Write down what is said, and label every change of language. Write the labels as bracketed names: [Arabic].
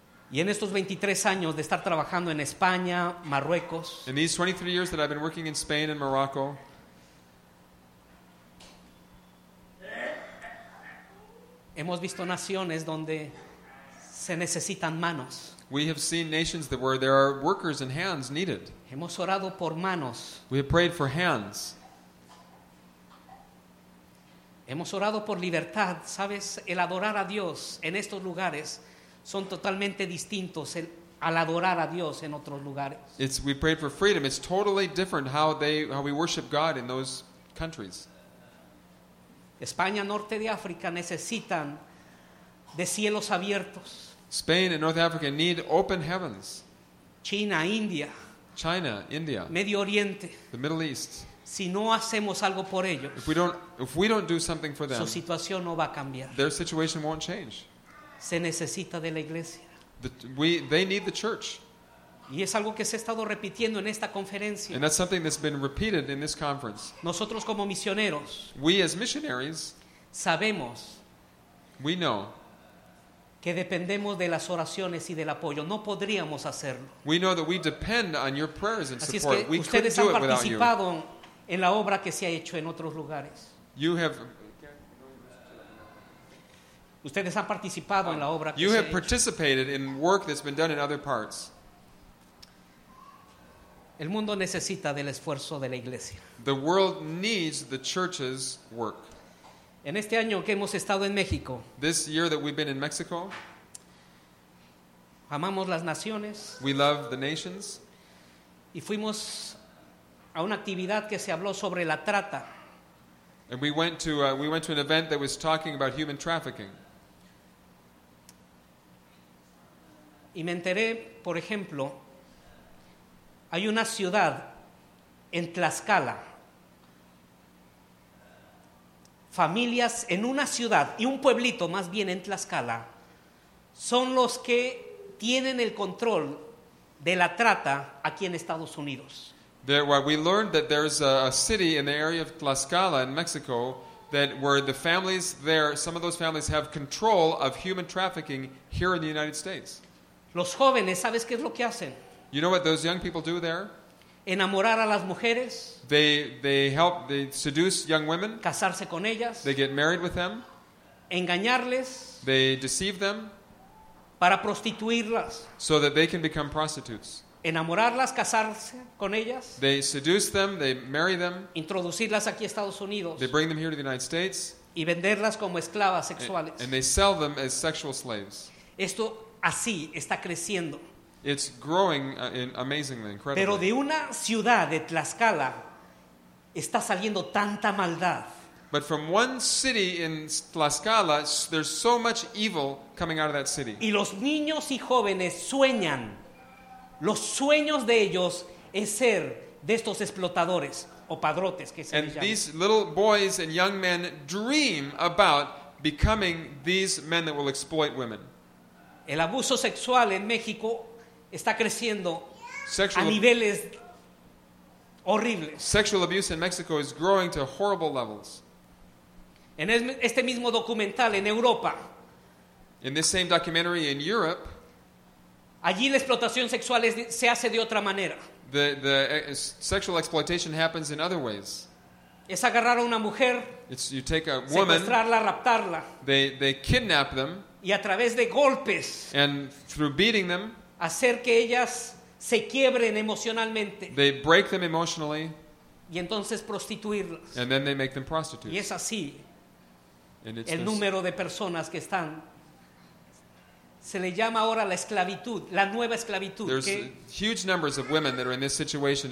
[Spanish] Y en estos 23 años de estar trabajando en España, Marruecos. [English] In these 23 years that I've been working in Spain and Morocco. [Spanish] Hemos visto naciones donde se necesitan manos. [English] We have seen nations that where there are workers and hands needed. [Spanish] Hemos orado por manos. [English] We have prayed for hands. [Spanish] Hemos orado por libertad, ¿sabes? El adorar a Dios en estos lugares son totalmente distintos al adorar a Dios en otros lugares. [English] It's we prayed for freedom. It's totally different how we worship God in those countries. [Spanish] España, Norte de África necesitan de cielos abiertos. [English] Spain and North Africa need open heavens. [Spanish] China, India. [English] China, India. [Spanish] Medio Oriente. [English] The Middle East. [Spanish] Si no hacemos algo por ellos, [English] if we don't do something for them, [Spanish] su situación no va a cambiar. [English] Their situation won't change. [Spanish] Se necesita de la iglesia. [English] They need the church. [Spanish] Y es algo que se ha estado repitiendo en esta conferencia. [English] And that's something that's been repeated in this conference. [Spanish] Nosotros como misioneros, [English] we as missionaries, [Spanish] sabemos, [English] we know, [Spanish] que dependemos de las oraciones y del apoyo. No podríamos hacerlo. [English] We know that we depend on your prayers and support. [Spanish] Así es que [English] we [Spanish] ustedes han participado en la obra que se ha hecho en otros lugares. [English] You have [Spanish] ustedes han participado en la obra que [English] you [Spanish] se [English] have [Spanish] ha [English] participated [Spanish] hecho. [English] In work that's been done in other parts. [Spanish] El mundo necesita del esfuerzo de la iglesia. [English] The world needs the church's work. [Spanish] En este año que hemos estado en México, [English] this year that we've been in Mexico, [Spanish] amamos las naciones. [English] We love the nations. [Spanish] Y fuimos a una actividad que se habló sobre la trata. [English] And we went to an event that was talking about human trafficking. [Spanish] Y me enteré, por ejemplo, hay una ciudad en Tlaxcala. Familias en una ciudad y un pueblito más bien en Tlaxcala son los que tienen el control de la trata aquí en Estados Unidos. [English] There, well, we learned that there's a city in the area of Tlaxcala in Mexico that where the families there, some of those families have control of human trafficking here in the United States. [Spanish] Los jóvenes, ¿sabes qué es lo que hacen? [English] You know what those young people do there? [Spanish] Enamorar a las mujeres. [English] They seduce young women. [Spanish] Casarse con ellas. [English] They get married with them. [Spanish] Engañarles. [English] They deceive them. [Spanish] Para prostituirlas. [English] So that they can become prostitutes. [Spanish] enamorarlas, casarse con ellas. [English] They seduce them, they marry them. [Spanish] Introducirlas aquí a Estados Unidos. [English] They bring them here to the United States. [Spanish] Y venderlas como esclavas sexuales. [English] And they sell them as sexual slaves. [Spanish] Esto así está creciendo. [English] It's growing amazingly, incredibly. [Spanish] Pero de una ciudad de Tlaxcala está saliendo tanta maldad. [English] But from one city in Tlaxcala, there's so much evil coming out of that city. [Spanish] Y los niños y jóvenes sueñan. Los sueños de ellos es ser de estos explotadores o padrotes que se llaman. [English] And these little boys and young men dream about becoming these men that will exploit women. [Spanish] El abuso sexual en México está creciendo a niveles horribles. [English] Sexual abuse in Mexico is growing to horrible levels. [Spanish] En este mismo documental en Europa. [English] In this same documentary in Europe. [Spanish] Allí la explotación sexual se hace de otra manera. [English] The sexual exploitation happens in other ways. [Spanish] Es agarrar a una mujer. [English] It's you take a woman. [Spanish] Secuestrarla, raptarla. [English] They kidnap them. [Spanish] Y a través de golpes. [English] And through beating them. [Spanish] Hacer que ellas se quiebren emocionalmente. [English] They break them emotionally. [Spanish] Y entonces prostituirlas. [English] And then they make them prostitutes. [Spanish] Y es así. El número de personas que están. Se le llama ahora la esclavitud, la nueva esclavitud. [English] There's huge numbers of women that are in this situation.